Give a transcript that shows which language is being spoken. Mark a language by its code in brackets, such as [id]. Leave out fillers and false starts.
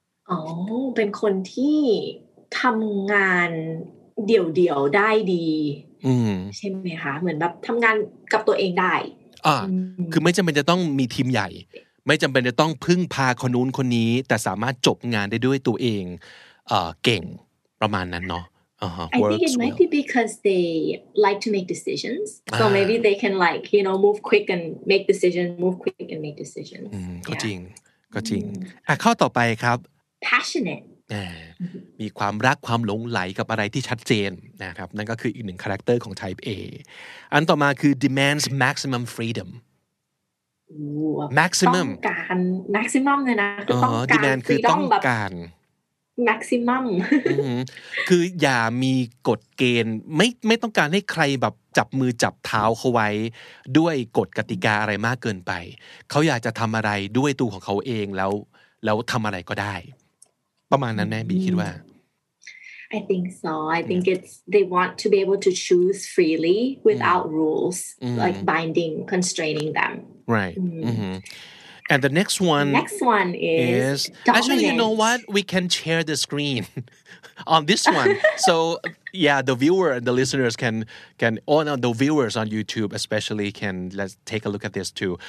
[th] อ๋อเป็นคนที่ทำงานเดี่ยวๆได้ดีใช่ไหมคะเหมือนแบบทำงานกับตัวเองได้ คือไม่จำเป็นจะต้องมีทีมใหญ่ไม่จำเป็นจะต้องพึ่งพาคนนู้นคนนี้แต่สามารถจบงานได้ด้วยตัวเองเก่งประมาณนั้นเนาะ [en] I think it might be because they like to make decisions so maybe they can like you know move quick and make decision move quick and make decisions [th] ก็จริงก็จริงข้อต่อไปครับ [en] passionate [th] มีความรักความหลงไหลกับอะไรที่ชัดเจนนะครับนั่นก็คืออีกหนึ่งคาแรคเตอร์ของ type A อันต่อมาคือ [en] demands maximum freedommaximum [th] ต้องการ maximum เลยนะคือต้องการ demand คือต้องการ [en] maximum [th] คืออย่ามีกฎเกณฑ์ไม่ต้องการให้ใครแบบจับมือจับเท้าเขาไว้ด้วยกฎกติกาอะไรมากเกินไปเขาอยากจะทำอะไรด้วยตัวของเขาเองแล้วทำอะไรก็ได้ประมาณนั้นแน่บีคิดว่า [en] I think so. I think it's they want to be able to choose freely without rules, like binding, constraining them. Right. Mm-hmm. And the next one. Next one is dominant. Actually, you know what? We can share the screen on this one. So yeah, the viewer and the listeners can oh no, the viewers on YouTube especially can let's take a look at this too.